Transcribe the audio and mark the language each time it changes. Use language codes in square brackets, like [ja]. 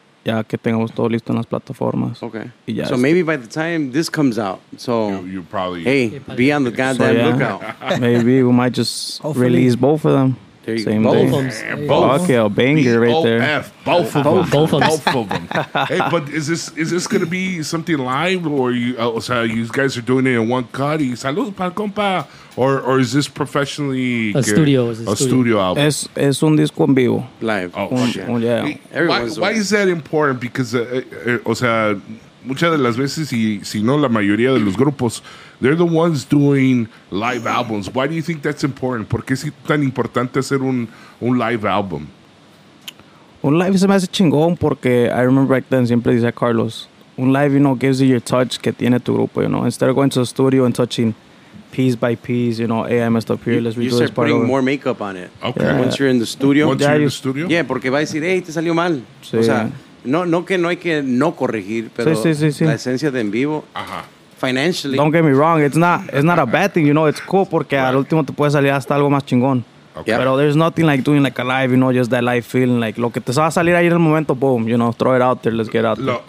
[es] Ya que tengamos todo listo en las plataformas. [en] Okay. [es] Y ya [en] maybe by the time this comes out, be on the goddamn lookout. Maybe we might just release both of them. There you same go. Both day. Of them. Both. Okay, a banger right there. Both of them. Hey, but is this going to be something live? Or you guys are doing it in one cut? [es] Y saludos para el compa. [en] Or is this professionally... A studio album. [es] Es un disco en vivo. [en] Live. Yeah. Why is that important? Because, [es] muchas de las veces, y si no la mayoría de los grupos, [en] they're the ones doing live albums. Why do you think that's important? [es] ¿Por qué es tan importante hacer un live album? Un live se me hace chingón porque [en] I remember back then [es] siempre dice Carlos, un live, you know, [en] gives you your touch [es] que tiene tu grupo, you know. [en] Instead of going to the studio and touching... piece by piece, you know, I messed up here. Let's redo this part. You start putting more makeup on it. Okay. Yeah. Once you're in the studio. Once you're in the studio? [es] Yeah, porque va a decir, hey, te salió mal. Sí. O sea, no que no hay que no corregir, pero sí. La esencia de en vivo, financially. [en] Don't get me wrong, it's not a bad thing, you know, it's cool [es] porque al último te puede salir hasta algo más chingón. [en] Okay. Yep. Pero there's nothing like doing like a live, you know, just that live feeling, like [es] lo que te va a salir ahí en el momento, [en] boom, you know, throw it out there, let's get out there.